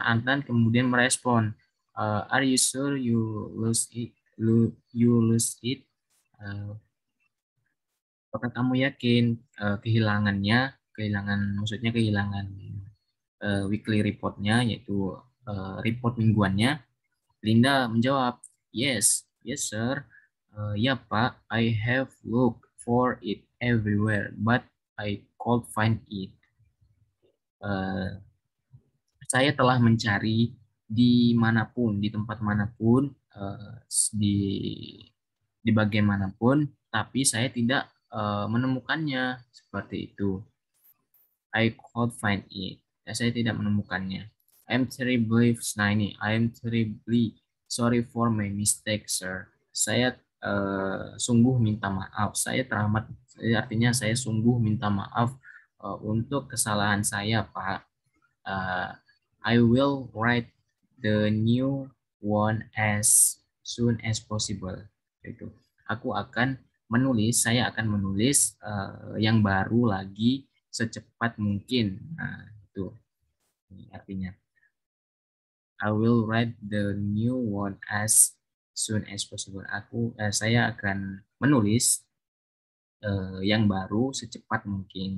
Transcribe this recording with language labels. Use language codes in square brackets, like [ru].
[en] Antan [id] kemudian merespon, [en] are you sure you lose it? You lose it? [id] Apakah kamu yakin kehilangannya, kehilangan maksudnya kehilangan weekly reportnya, yaitu report mingguannya? [en] Linda menjawab, yes, yes sir, [id] ya pak, [en] I have looked for it everywhere, but I can't find it. [id] Saya telah mencari di manapun, di tempat manapun, di bagian manapun, tapi saya tidak menemukannya seperti itu. [en] I can't find it. [id] Saya tidak menemukannya. [en] I'm terribly, [id] nah ini, [en] I'm terribly sorry for my mistake, sir. [id] Saya sungguh minta maaf. Saya teramat, artinya saya sungguh minta maaf untuk kesalahan saya, Pak. [en] I will write the new one as soon as possible. [id] Itu. Aku akan menulis, saya akan menulis yang baru lagi secepat mungkin. Nah, itu. Ini artinya, [en] I will write the new one as soon as possible. [id] Saya akan menulis yang baru secepat mungkin.